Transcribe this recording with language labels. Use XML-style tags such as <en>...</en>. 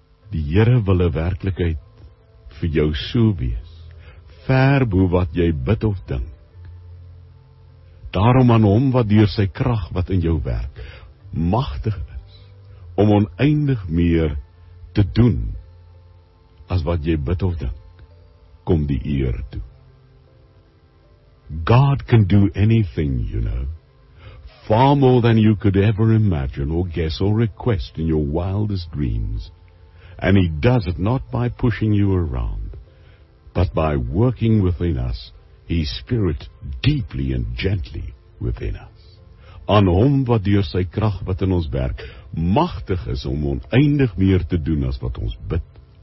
<af>Die Here wil 'n werklikheid vir jou so wees, ver bo wat jy bid of dink. Daarom aan hom wat deur sy krag wat in jou werk, magtig is, om oneindig meer te doen, as wat jy bid of dink, kom die eer toe.</af> <en>God can do anything, you know, far more than you could ever imagine or guess or request in your wildest dreams. And he does it not by pushing you around, but by working within us, his spirit deeply and gently within us.</en> <af>Aan hom wat deur sy krag wat in ons werk, magtig is om oneindig meer te doen as wat ons bid</af>